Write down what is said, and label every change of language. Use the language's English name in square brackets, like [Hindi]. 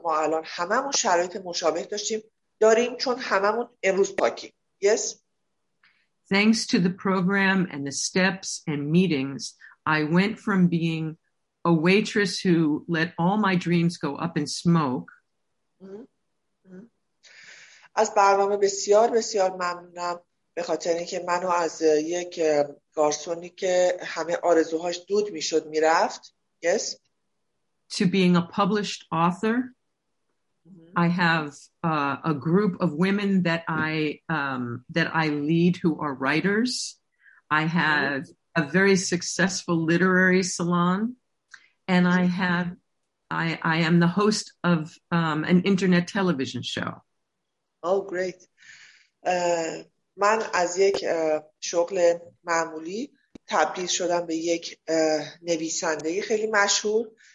[Persian] ما الان هممون شرایط مشابه داریم چون هممون امروز پاکی. [English] Yes. Thanks to the program and the steps and meetings, I went from being a waitress who let all my dreams go up in smoke. [Persian] از برنامه بسیار بسیار ممنونم به خاطر اینکه منو از یک گارسونی که همه آرزوهاش دود میشد میرفت. [English] Yes. To being a published author. I have a group of women that I lead who are writers. I have a very successful literary salon, and I am the host of an internet television show. Oh, great. [Persian] من از یک شغل معمولی تبدیل شدم به یک نویسنده خیلی مشهور.